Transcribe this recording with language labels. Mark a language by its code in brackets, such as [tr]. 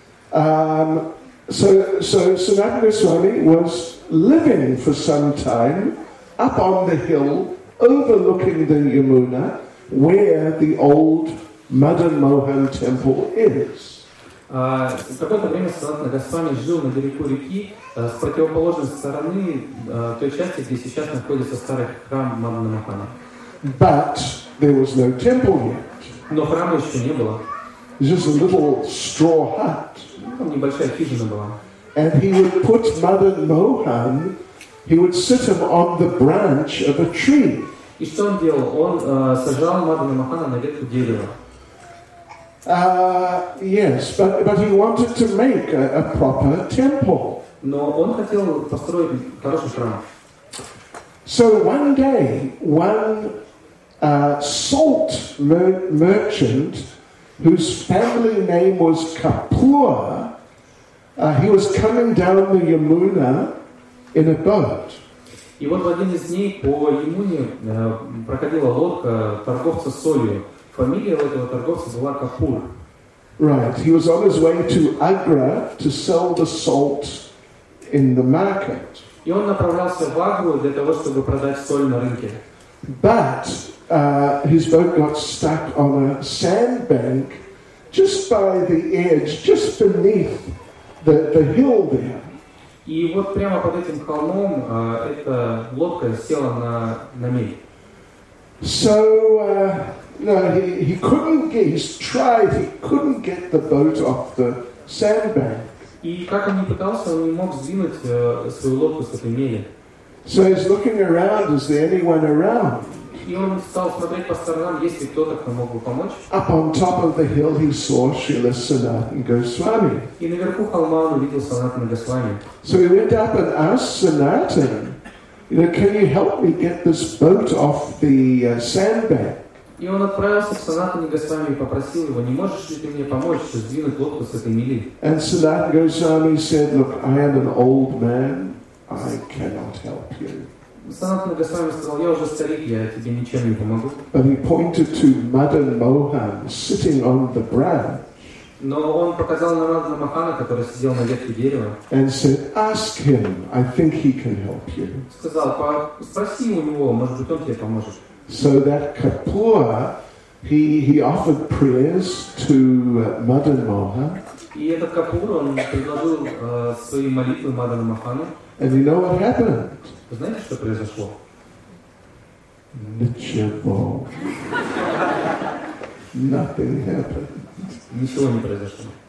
[en] So Sanatana Goswami was living for some time up on the hill overlooking the Yamuna where the old Madan Mohan temple is. [ru] В какое-то время Санатана Госвами жил на берегу реки с противоположной стороны той части, где сейчас находится старый храм Мадана Махана. [en] But there was no temple yet. [ru] Но храма еще не было. [en] Just a little straw hut. [ru] Там небольшая хижина была. [en] And he would put Madan Mohan, he would sit him on the branch of a tree. [ru] И что он делал? Он сажал Мадана Махана на ветку дерева. [en] Yes, but he wanted to make a proper temple. [ru] Но он хотел построить хороший храм. [en] So one day, one salt merchant, whose family name was Kapoor, he was coming down the Yamuna in a boat. [ru] И вот в один из дней по Ямуне проходила лодка торговца солью. Фамилия этого торговца была Капур. [en] Right. He was on his way to Agra to sell the salt in the market. [ru] И он направлялся в Агру для того, чтобы продать соль на рынке. [en] But his boat got stuck on a sandbank just by the edge, just beneath the hill there. [ru] И вот прямо под этим холмом эта лодка села на мель. [en] So he couldn't get the boat off the sandbank. [ru] И как он ни пытался, он не мог сдвинуть свою лодку с этой мели. [en] So he's looking around, is there anyone around? [ru] И он стал смотреть по сторонам, есть ли кто-то, кто мог бы помочь. [en] Up on top of the hill he saw Srila Sanatana Goswami. [ru] И наверху холма он увидел Санатана Госвами. [en] So he went up and asked Sanatana, you know, can you help me get this boat off the sandbank? [ru] И он отправился к Санатане Госвами и попросил его, не можешь ли ты мне помочь сдвинуть лодку с этой мели? [en] And Sanatana Goswami said, look, I am an old man, I cannot help you. [ru] Санатана Госвами сказал, я уже старик, я тебе ничем не помогу. [en] But he pointed to Madan Mohan sitting on the branch. [ru] Но он показал на Мадана Махана, который сидел на ветке дерева. [en] And said, ask him, I think he can help you. [ru] Сказал, спроси у него, может быть, он тебе поможет. [en] So that Kapoor, he offered prayers to Madan Mohan. [ru] И этот Капур, он предложил свои молитвы Мадану Махану. [en] And you know what happened? [ru] Знаете, что произошло? Ничего. [en] Nothing happened. [ru] Ничего не произошло.